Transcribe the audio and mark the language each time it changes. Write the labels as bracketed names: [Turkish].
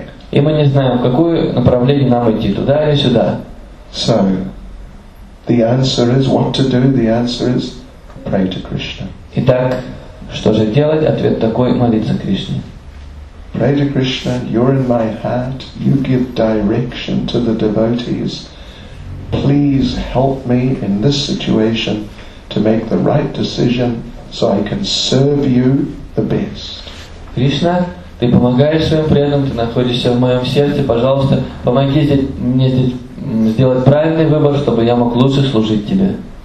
[Russian] И мы не знаем, в какое направление нам идти, туда или сюда. [English] So, the answer is what to do. The answer is pray to Krishna. [Russian] Итак, что же делать? Ответ такой: молиться Кришне. [English] Pray to Krishna. You're in my heart. You give direction to the devotees. Please help me in this situation to make the right decision so I can serve you the best. [Russian] Кришна, ты помогаешь своим преданным, ты находишься в моем сердце, пожалуйста, помоги мне здесь сделать правильный выбор, чтобы я мог лучше служить тебе.